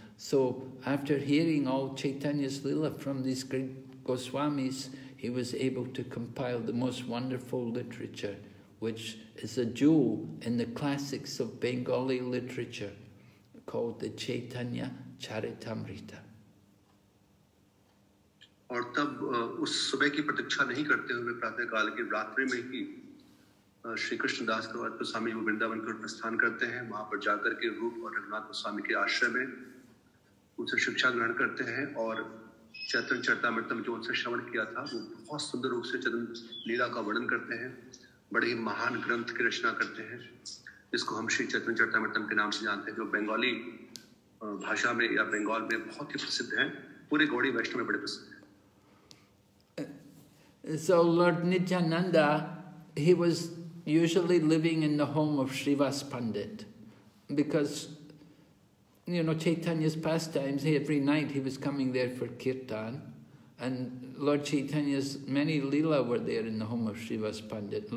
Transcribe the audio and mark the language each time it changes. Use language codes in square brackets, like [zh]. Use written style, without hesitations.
[en] So, after hearing all Chaitanya's Leela from these great Goswamis, he was able to compile the most wonderful literature, which is a jewel in the classics of Bengali literature, called the Chaitanya Charitamrita. [hi] और तब उस सुबह की प्रतीक्षा नहीं करते हुए प्रातः काल की रात्रि में ही श्री कृष्ण दास के बाद स्वामी वो वृंदावन के प्रस्थान करते हैं, वहां पर जाकर के रूप और रघुनाथ स्वामी के आश्रय में उनसे शिक्षा ग्रहण करते हैं और चैतन्य चरितामृतम जो उनसे श्रवण किया था वो बहुत सुंदर रूप से चैतन्य लीला का वर्णन करते हैं, बड़े ही महान ग्रंथ की रचना करते हैं जिसको हम श्री चैतन्य चरितामृतम के नाम से जानते हैं, जो बंगाली भाषा में या बंगाल में बहुत ही प्रसिद्ध है, पूरे गौड़ी वैष्णव में बड़े प्रसिद्ध है। [en] So Lord Nityananda, he was usually living in the home of Srivas Pandit because, you know, Chaitanya's pastimes, every night he was coming there for kirtan, and Lord Chaitanya's many lila were there in the home of Srivas Pandit.